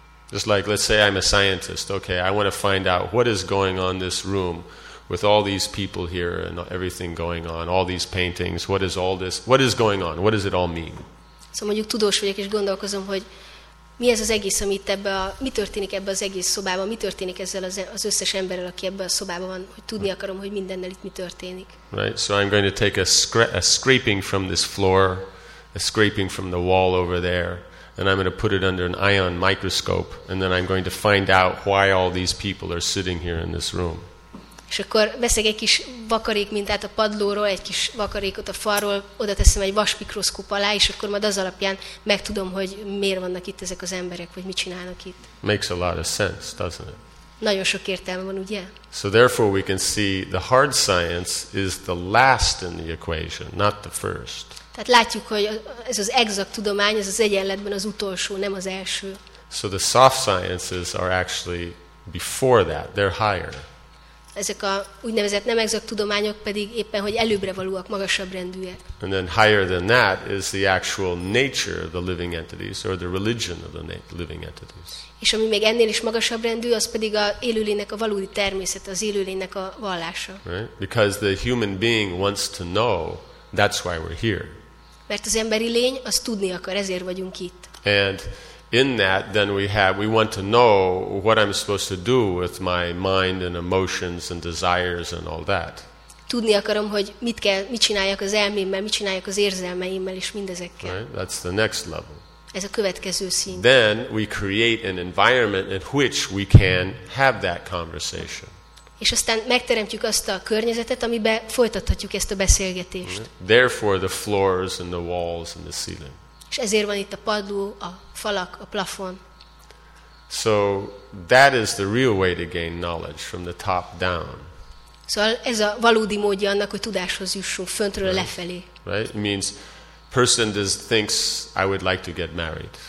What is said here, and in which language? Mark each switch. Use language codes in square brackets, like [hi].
[en] Just like, let's say I'm a scientist. Okay, I want to find out what is going on in this room with all these people here and everything going on, all these paintings. What is all this? What is going on? What does it all mean? [hu] Szóval mondjuk tudós vagyok, és gondolkozom, hogy mi ez az egész, ami itt ebbe a, mi történik ebbe az egész szobában, mi történik ezzel az összes emberrel, aki ebbe a szobában van, hogy tudni akarom, hogy mindennel itt mi történik. [en] Right, so I'm going to take a scraping from this floor, a scraping from the wall over there, and I'm going to put it under an ion microscope, and then I'm going to find out why all these people are sitting here in this room. [hu] És akkor veszek egy kis vakarék mintát a padlóról, egy kis vakarékot a falról, oda teszem egy vasmikroszkóp alá, és akkor majd az alapján megtudom, hogy miért vannak itt ezek az emberek, vagy mit csinálnak itt. [en] Makes a lot of sense, doesn't it? [hu] Nagyon sok értelme van, ugye? [en] So therefore we can see the hard science is the last in the equation, not the first. [hu] Tehát látjuk, hogy ez az exakt tudomány, ez az egyenletben az utolsó, nem az első. [en] So the soft sciences are actually before that, they're higher. [hu] Ezek a úgynevezett nem exakt tudományok pedig éppen hogy előbbre valóak, magasabb rendűek. [en] And then higher than that is the actual nature of the living entities or the religion of the living entities. [hu] És ami még ennél is magasabb rendű, az pedig a élőlénynek a valódi természet, az élőlénynek a vallása. [en] Right? Because the human being wants to know, that's why we're here. [hu] Mert az emberi lény az tudni akar, ezért vagyunk itt. [en] And in that then we want to know what I'm supposed to do with my mind and emotions and desires and all that. [hu] Tudni akarom, hogy mit csináljak az elmémmel, mit csináljak az érzelmeimmel és mindezekkel. [en] Right? That's the next level. [hu] Ez a következő szint. [en] Then we create an environment in which we can have that conversation. [hu] És aztán megteremtjük azt a környezetet, amiben folytathatjuk ezt a beszélgetést. [en] Right? Therefore the floors and the walls and the ceiling. [hu] És ezért van itt a padló, a falak, a plafon. [en] So that is the real way to gain knowledge from the top down. [hu] Szóval ez a valódi módja annak, hogy tudáshoz jussunk föntről right. Lefelé. [en] Right? It means person does thinks I would like to get married.